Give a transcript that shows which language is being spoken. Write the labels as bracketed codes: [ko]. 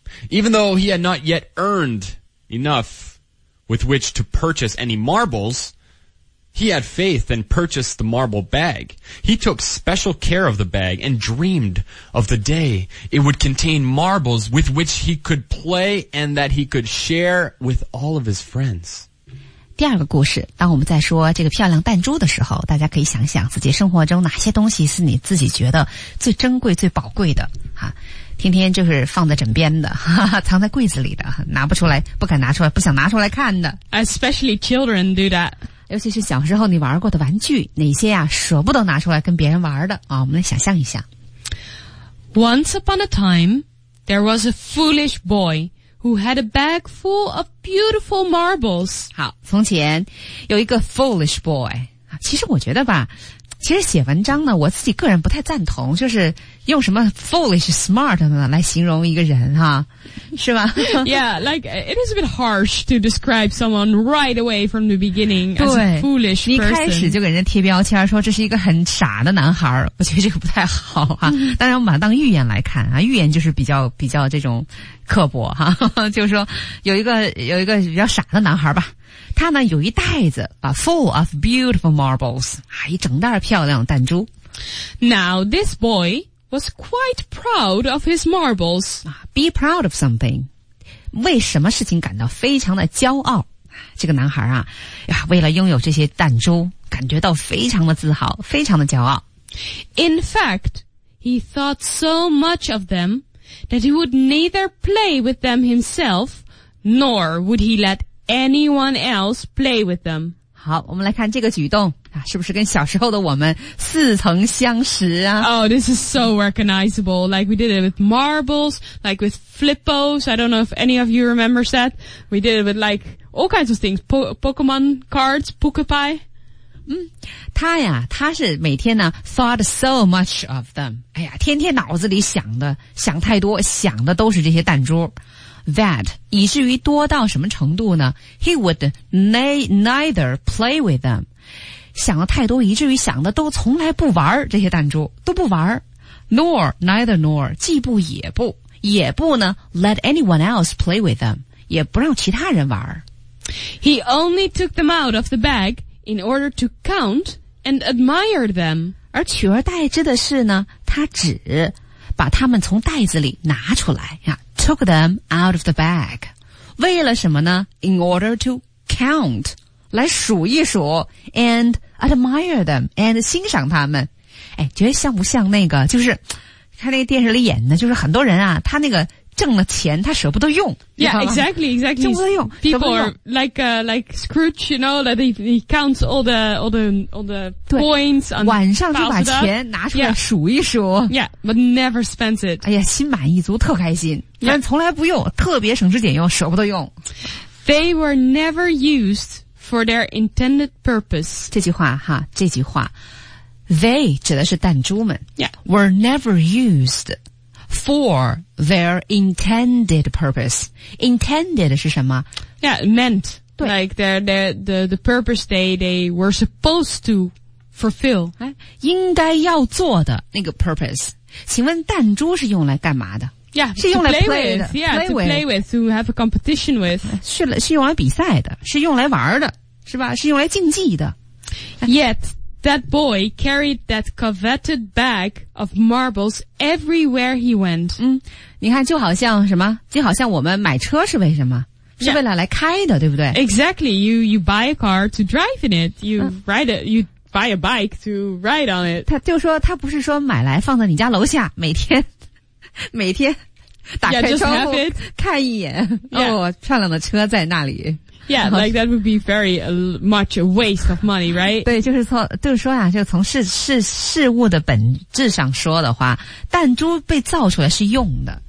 [en] Even though he had not yet earned enough with which to purchase any marbles, He had faith and purchased the marble bag. He took special care of the bag and dreamed of the day it would contain marbles with which he could play and that he could share with all of his friends. [zh] 第二个故事，当我们在说这个漂亮弹珠的时候，大家可以想想自己生活中哪些东西是你自己觉得最珍贵最宝贵的啊，天天就是放在枕边的，哈哈，藏在柜子里的，拿不出来，不敢拿出来，不想拿出来看的。 [en] Especially children do that. [zh] 尤其是小时候你玩过的玩具，哪些呀舍不得拿出来跟别人玩的啊？我们来想象一下。 [en] Once upon a time, there was a foolish boy who had a bag full of beautiful marbles. [zh] 好，从前有一个 [en] foolish boy。 [zh] 其实我觉得吧，其实写文章呢，我自己个人不太赞同，就是用什么 [en] foolish smart [zh] 呢来形容一个人哈，是吧 [en] ？Yeah, like it is a bit harsh to describe someone right away from the beginning as a foolish person. [zh] 你开始就给人家贴标签，说这是一个很傻的男孩，我觉得这个不太好哈。当然，我们把它当寓言来看啊，寓言就是比较这种刻薄哈，就是说有一个比较傻的男孩吧。他呢有一袋子啊 ， [en] full of beautiful marbles， [zh] 啊，一整袋漂亮弹珠。 [en] Now this boy was quite proud of his marbles. Be proud of something， [zh] 为什么事情感到非常的骄傲？这个男孩啊，为了拥有这些弹珠，感觉到非常的自豪，非常的骄傲。 [en] In fact, he thought so much of them that he would neither play with them himself, nor would he let anyone else play with them. [zh] 好，我们来看这个举动啊，是不是跟小时候的我们似曾相识啊 [en] ？Oh, this is so recognizable. Like we did it with marbles, like with Flippos. I don't know if any of you remembers that. We did it with like all kinds of things, Pokemon cards, Pukapai. [zh] 他呀，他是每天呢 [en] thought so much of them. [zh] 哎呀，天天脑子里想的，想太多，想的都是这些弹珠。 [en] That [zh] 以至于多到什么程度呢 [en] ？He would neither play with them. [zh] 想的太多，以至于想的都从来不玩这些弹珠，都不玩。 [en] Neither nor [zh] 既不也不，也不呢 [en] ？Let anyone else play with them， [zh] 也不让其他人玩。 [en] He only took them out of the bag in order to count and admire them. [zh] 而取而代之的是呢，他只把他们从袋子里拿出来呀。 [en] Took them out of the bag. [zh] 为了什么呢 [en] ?In order to count. [zh] 来数一数 [en] and admire them, and [zh] 欣赏他们。哎，觉得像不像那个就是看那个电视里演的，就是很多人啊，他那个挣了钱他舍不得用。 [en] Yeah, exactly. [zh] 舍不得用。 [en] People are like Scrooge, you know, that he counts all the points on [zh] 晚上就把钱拿出来数一数。 [en] Yeah, but never spends it. [zh] 哎呀，心满意足，特开心。但从来不用，特别省吃俭用，舍不得用。 [en] They were never used for their intended purpose. [zh] 这句话哈，这句话 ，they 指的是弹珠们。 [en] Yeah, were never used for their intended purpose. [zh] Intended 是什么 [en] ？Yeah, meant. Like the purpose they were supposed to fulfill. [zh] 应该要做的那个 purpose. 请问弹珠是用来干嘛的？ [en] Yeah, [zh] 是用来 [en] play with, to have a competition with. [zh] 是用来比赛的，是用来玩的，是吧？是用来竞技的。 [en] Yet, that boy carried that coveted bag of marbles everywhere he went. [zh] 你看就好像什么？就好像我们买车是为什么？是为了来开的，对不对 [en] ？Exactly, you buy a car to drive in it. You ride it, you buy a bike to ride on it. [zh] 他就说他不是说买来放在你家楼下每天。每天打开窗户看一眼 [en] yeah, [zh] 哦，漂亮的车在那里 [en] Yeah, like that would be very much a waste of money, right? [zh] 对，就是说啊，就从事物的本质上说的话，弹珠被造出来是用的、